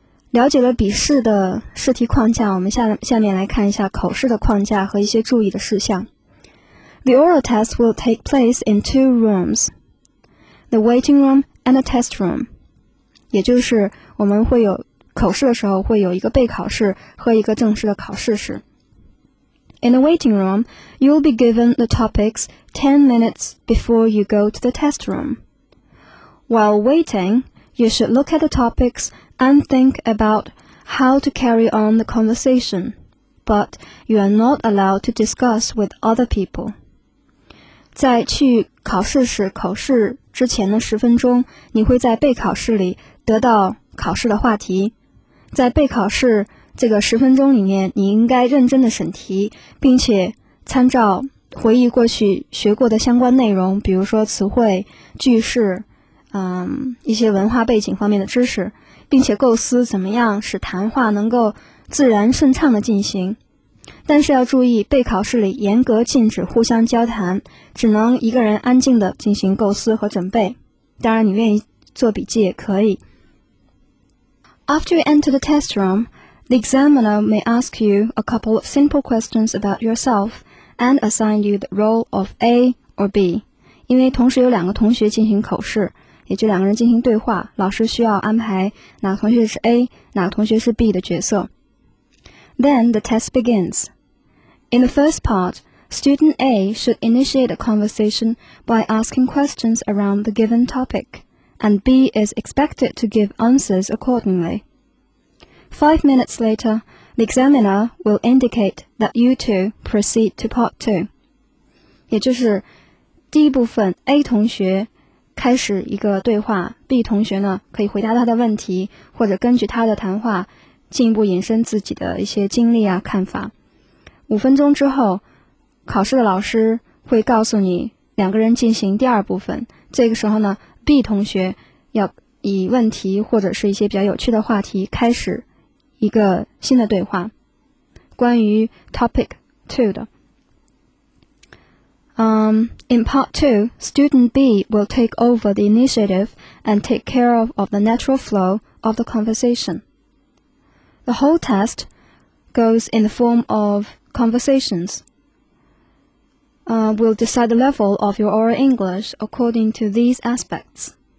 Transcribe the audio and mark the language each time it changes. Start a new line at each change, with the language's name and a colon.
Chinese: 了解了笔试的试题框架，我们下面来看一下口试的框架和一些注意的事项。
English: The oral test will take place in 2 rooms, the waiting room and the test room.
Chinese: 也就是我们会有口试的时候会有一个备考室和一个正式的考试室。
English: In the waiting room, you'll be given the topics 10 minutes before you go to the test room. While waiting, you should look at the topics and think about how to carry on the conversation, but you are not allowed to discuss with other people.
Chinese: 在去考试时，考试之前的十分钟，你会在备考室里得到考试的话题。在备考室这个十分钟里面，你应该认真的审题，并且参照回忆过去学过的相关内容，比如说词汇、句式，一些文化背景方面的知识，并且构思怎么样使谈话能够自然顺畅的进行。但是要注意，备考室里严格禁止互相交谈，只能一个人安静地进行构思和准备。当然，你愿意做笔记也可以。
English: After you enter the test room, the examiner may ask you a couple of simple questions about yourself and assign you the role of A or B.
Chinese: 因为同时有两个同学进行口试，也就两个人进行对话，老师需要安排哪个同学是 A, 哪个同学是 B 的角色。
English: Then the test begins. In the first part, student A should initiate a conversation by asking questions around the given topic, and B is expected to give answers accordingly. 5 minutes later, the examiner will indicate that you two proceed to part two.
Chinese: 也就是第一部分 A 同学开始一个对话 ,B 同学呢可以回答他的问题或者根据他的谈话进一步引申自己的一些经历啊看法。五分钟之后考试的老师会告诉你两个人进行第二部分，这个时候呢 ,B 同学要以问题或者是一些比较有趣的话题开始一个新的对话，关于 topic 2的。
English: In part 2, student B will take over the initiative and take care of the natural flow of the conversation. The whole test goes in the form of conversations. We'll decide the level of your oral English according to these aspects.